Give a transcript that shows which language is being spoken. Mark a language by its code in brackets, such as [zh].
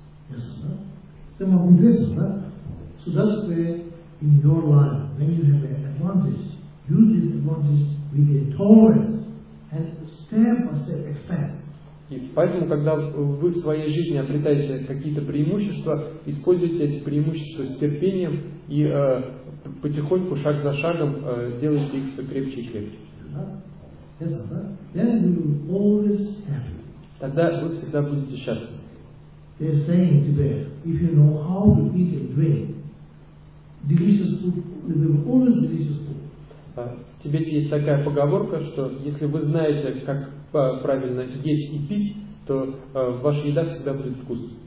[en] Yes, sir. Same of interest, right? So that's in your life, when you have an advantage, use this advantage with a tolerance and step by step expand. [ru] И поэтому, когда вы в своей жизни обретаете какие-то преимущества, используйте эти преимущества с терпением и потихоньку, шаг за шагом, делайте их все крепче и крепче. [en] Yes, then you will always happy. [ru] Тогда вы всегда будете счастливы. [en] They're saying today, if you know how to eat and drink delicious food, there will always be delicious food. [ru] В Тибете есть такая поговорка, что если вы знаете, как правильно есть и пить, то ваша еда всегда будет вкусной.